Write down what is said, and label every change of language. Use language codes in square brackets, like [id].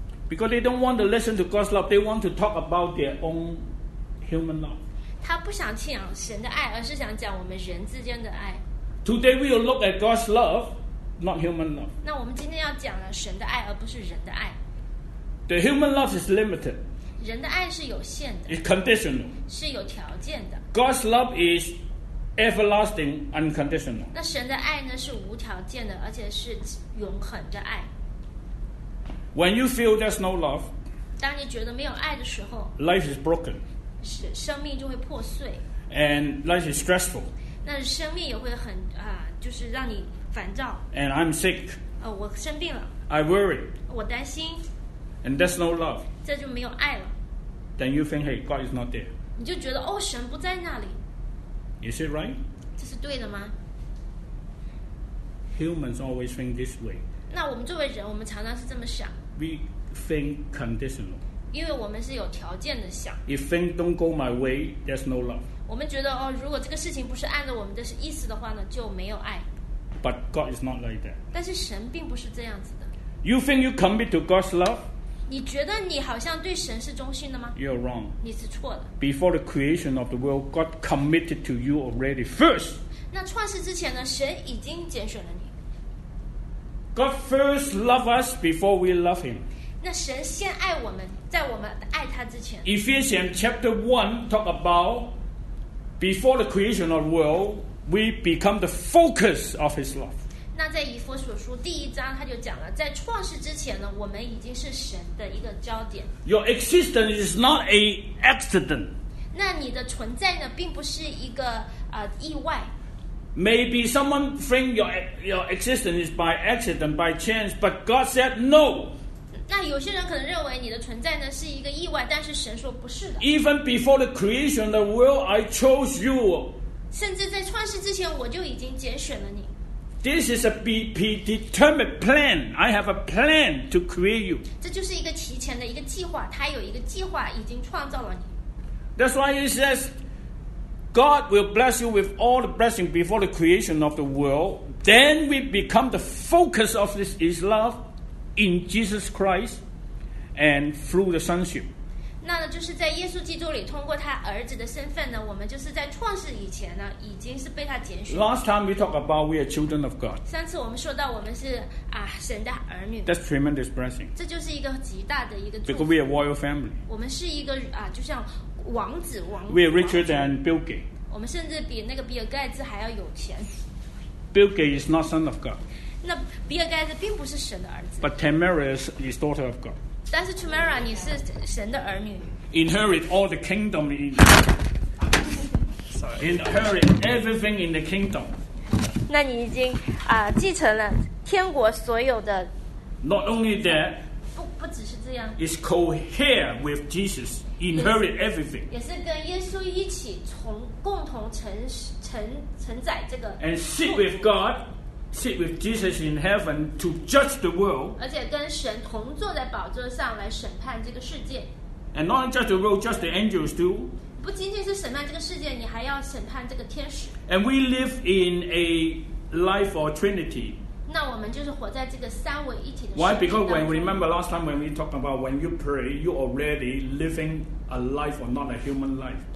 [en] because they don't want to listen to God's love, they want to talk about their own human love. [zh] 他不想听神的爱，而是想讲我们人之间的爱。 [en] Today we will look at God's love, not human love. [zh] 那我们今天要讲了神的爱，而不是人的爱。 [en] The human love is limited. [zh] 人的爱是有限的。 [en] It's conditional. [zh] 是有条件的。 [en] God's love is everlasting, unconditional. [zh] 那神的爱呢，是无条件的，而且是永恒的爱。 [en] When you feel there's no love, [zh] 当你觉得没有爱的时候, [en] life is broken. [zh] 生命就会破碎, [en] and life is stressful. [zh] 那生命也会很, 就是让你烦躁, [en] and I'm sick. [zh] 我生病了, [en] I worry. [zh] 我担心, [en] and there's no love. [zh] 这就没有爱了, [en] then you think, hey, God is not there. [zh] 你就觉得, 哦, 神不在那里, [en] is it right? [zh] 这是对的吗? [en] Humans always think this way. [zh] 那我们作为人，我们常常是这么想。 [en] We think conditional. [zh] 因为我们是有条件的想。 [en] If things don't go my way, there's no love. [zh] 我们觉得哦, 如果这个事情不是按照我们的意思的话呢，就没有爱。 [en] But God is not like that. [zh] 但是神并不是这样子的。 [en] You think you commit to God's love? [zh] 你觉得你好像对神是忠心的吗? [en] You're wrong. [zh] 你是错的。 [en] Before the creation of the world, God committed to you already first. [zh] 那创世之前呢，神已经拣选了你。 [en] God first loved us before we love him. [zh] 那神先爱我们, 在我们爱他之前, [en] Ephesians chapter 1 talk about before the creation of the world, we become the focus of his love. [zh] 那在以弗所书第一章他就讲了, 在创世之前呢, 我们已经是神的一个焦点。 [en] Your existence is not an accident. [zh] 那你的存在呢, 并不是一个, 意外。 [en] Maybe someone think your existence is by accident, by chance, but God said no. [zh] 那有些人可能认为你的存在呢是一个意外，但是神说不是的。 [en] Even before the creation of the world, I chose you. [zh] 甚至在创世之前我就已经拣选了你。 [en] This is a predetermined plan. I have a plan to create you. [zh] 这就是一个提前的一个计划，他有一个计划已经创造了你。 [en] That's why it says God will bless you with all the blessing before the creation of the world. Then we become the focus of this is love in Jesus Christ and through the sonship. [zh] 那就是在耶稣基督里通过他儿子的身份呢，我们就是在创世以前呢已经是被他拣选。 [en] Last time we talked about we are children of God. [zh] 上次我们说到我们是啊神的儿女。 [en] That's tremendous blessing. [zh] 这就是一个极大的一个祝福。 [en] Because we are royal family. [zh] 我们是一个啊就像王子王。 [en] We are richer than Bill Gates. [zh] 我们甚至比那个比尔盖茨还要有钱。 [en] Bill Gates is not son of God. [zh] 那比尔盖茨并不是神的儿子。 [en] But Tamara is daughter of God. [zh] 但是 Tamara 你是神的儿女。 [en] Inherit all the kingdom in Inherit everything in the kingdom. [zh] 那你已经继承了天国所有的。 [en] Not only that, [zh] 不只是这样。 [en] It's co-heir with Jesus. Inherit everything. [zh] 也是跟耶稣一起共同承载这个。 [en] And sit with GodSit with Jesus in heaven to judge the world. [zh] 而且跟神同坐在宝座上来审判这个世界。 [en] And not judge the world, just the angels do. [zh] 不仅仅是审判这个世界，你还要审判这个天使。 [en] And we live in a life or Trinity. [zh] 那我们就是活在这个三位一体的世界。 [en] Why? Because when we remember last time when we talked about when you pray, you already living a life or not a human life.